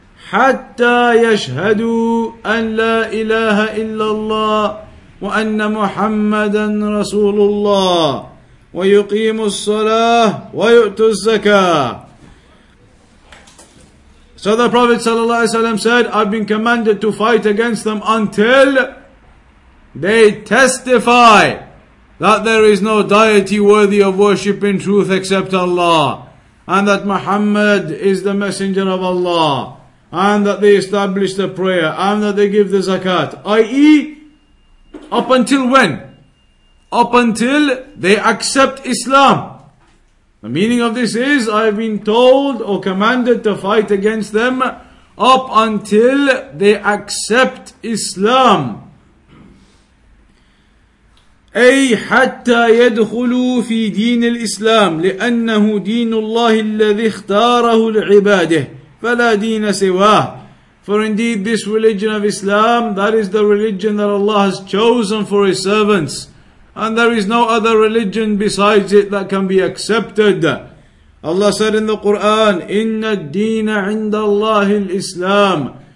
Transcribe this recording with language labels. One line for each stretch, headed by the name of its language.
Arabic: حتى يشهدوا أن لا إله إلا الله وأن محمدا رسول الله ويقيم الصلاة ويؤتوا الزكاة.
English: So the Prophet ﷺ said, I've been commanded to fight against them until They testify that there is no deity worthy of worship in truth except Allah, and that Muhammad is the messenger of Allah, and that they establish the prayer, and that they give the zakat, i.e. up until when? Up until they accept Islam. The meaning of this is, I have been told or commanded to fight against them up until they accept Islam.
Arabic: أي حتى يدخلوا في دين الإسلام لأنه دين الله الذي اختاره لعباده فلا دين سواه.
English: For indeed this religion of Islam, that is the religion that Allah has chosen for His servants, and there is no other religion besides it that can be accepted. Allah said in the Quran,
Arabic: إن الدين عند الله الإسلام.